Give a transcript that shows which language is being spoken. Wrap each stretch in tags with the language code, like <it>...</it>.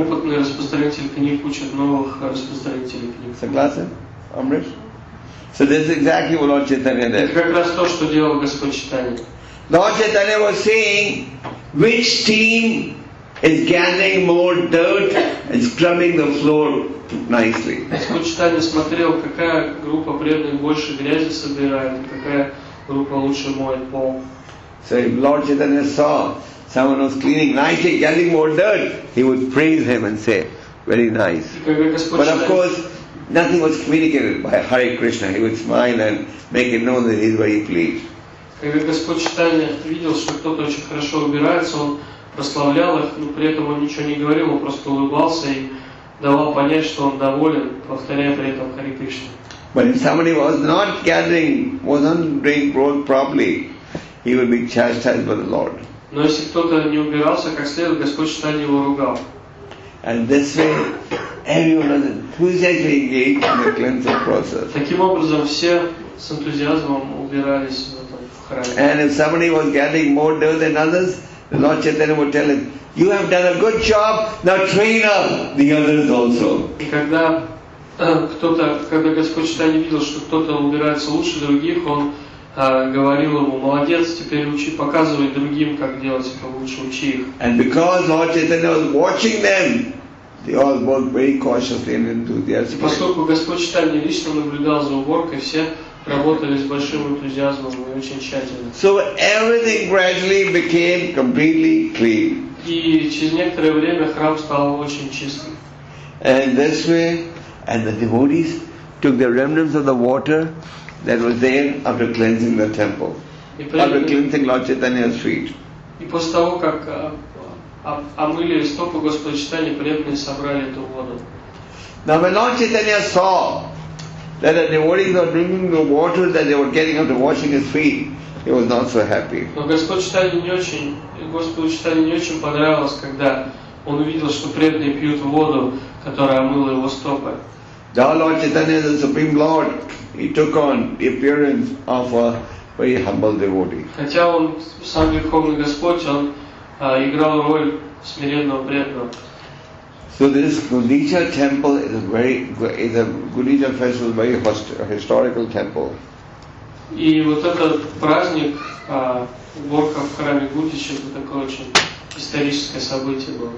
<ru>Опытный распространитель книг учит новых распространителей книг. Согласен, Амриш?</ru> <en>So this is exactly what Lord Chaitanya did.</en> <ru>Это как раз то, что делал Господь Чайтанья.</ru> <en>Lord Chaitanya was seeing which team is gathering more dirt and scrubbing the floor nicely.</en> <ru>Господь Чайтанья смотрел, какая группа преданных больше грязи собирает, какая группа лучше моет пол.</ru> <en>So if Lord Chaitanya saw someone was cleaning nicely, gathering more dirt, he would praise him and say, "Very nice." But of course, nothing was communicated by Hare Krishna. He would smile and make it known that he is very pleased.</en> <ru>Когда Господь Чайтанья видел, что кто-то очень хорошо убирается, он прославлял их, но при этом он ничего не говорил, он просто улыбался и давал понять, что он доволен, повторяя при этом Хари Кришна.</ru> <en>But if somebody was not gathering, wasn't doing work properly, he would be chastised by the Lord.</en> <ru>Но если кто-то не убирался как следует, Господь Чайтанья его ругал.</ru> <en>And this way, everyone was enthusiastically engaged in the cleansing process.</en> <ru>Таким образом, все с энтузиазмом убирались в этом храме.</ru> <en>And if somebody was gathering more dirt than others, Lord Chaitanya would tell him, "You have done a good job. Now train up the others also."</en> <ru>И когда когда Господь Чайтанья видел, что кто-то убирается лучше других, он говорил ему: "Молодец, теперь учи, показывай другим, как делать это лучше, учи их."</ru> <en>And because Lord Chaitanya was watching them, they all worked very cautiously and enthusiastically.</en> <ru>Поскольку Господь Чайтанья лично наблюдал за уборкой, все работали с большим энтузиазмом и очень тщательно.</ru> <en>So everything gradually became completely clean.</en> <ru>И через некоторое время храм стал очень чистым.</ru> <en>And this way, and the devotees took the remnants of the water that was there after cleansing the temple, after cleansing Lord Chaitanya's feet.</en> <ru>И после того, как омыли стопы Господа Чайтанья, преданные собрали эту воду.</ru> <en>Now when Lord Chaitanya saw that the devotees were bringing the water that they were getting after washing his feet, he was not so happy.</en> <ru>Но Господу Чайтанье не очень понравилось, когда он увидел, что преданные пьют воду, которая омыла его стопы.</ru> <en>Now Lord Chaitanya is the Supreme Lord. He took on the appearance of a very humble devotee.</en> <ru>Хотя он сам Верховный Господь, он играл роль смиренного преданного.</ru> <en>So this Gundicha temple is a very is a Gundicha festival, very historical temple.</en> <ru>И вот этот праздник уборка в храме Гундича, это такое очень историческое событие было.</ru>